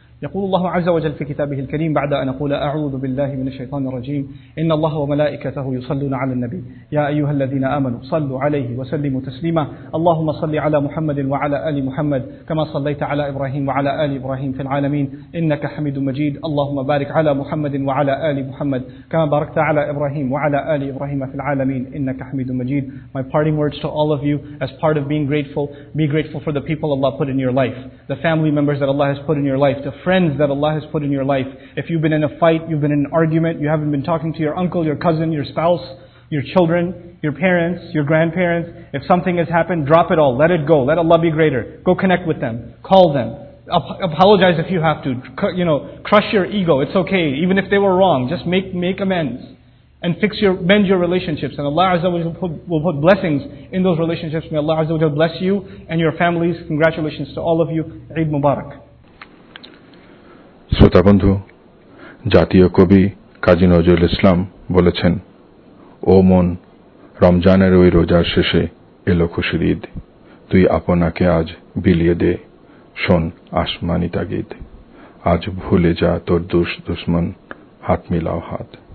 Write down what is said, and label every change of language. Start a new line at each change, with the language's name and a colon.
Arabic: يقول الله عز وجل في كتابه الكريم بعد أن أقول أعوذ بالله من الشيطان الرجيم إن الله وملائكته يصلون على النبي يا أيها الذين آمنوا صلوا عليه وسلموا تسليما. اللهم صل على محمد وعلى آل محمد كما صليت على إبراهيم وعلى آل إبراهيم في العالمين إنك حميد مجيد. اللهم بارك على محمد وعلى آل محمد كما باركت على إبراهيم وعلى آل إبراهيم في العالمين إنك حميد مجيد.
English: My parting words to all of you as part of being grateful, be grateful for the people Allah put in your life, the family members that Allah has put in your life, the friends that Allah has put in your life. If you've been in a fight, you've been in an argument, you haven't been talking to your uncle, your cousin, your spouse, your children, your parents, your grandparents, if something has happened, drop it all. Let it go. Let Allah be greater. Go connect with them. Call them. Apologize if you have to. You know, crush your ego. It's okay. Even if they were wrong, just make amends. And mend your relationships. And Allah Azza wa Jalla will put blessings in those relationships. May Allah Azza wa Jalla bless you and your families. Congratulations to all of you. Eid Mubarak.
Bangla: শ্রোতা বন্ধু, জাতীয় কবি কাজী নজরুল ইসলাম বলেছেন, ও মন, রমজানের ওই রোজার শেষে এলো খুশির ঈদ, তুই আপনাকে আজ বিলিয়ে দে, শোন আসমানি তাগিদ, আজ ভুলে যা তোর দুষ দুশ্মন, হাত মিলাও হাত।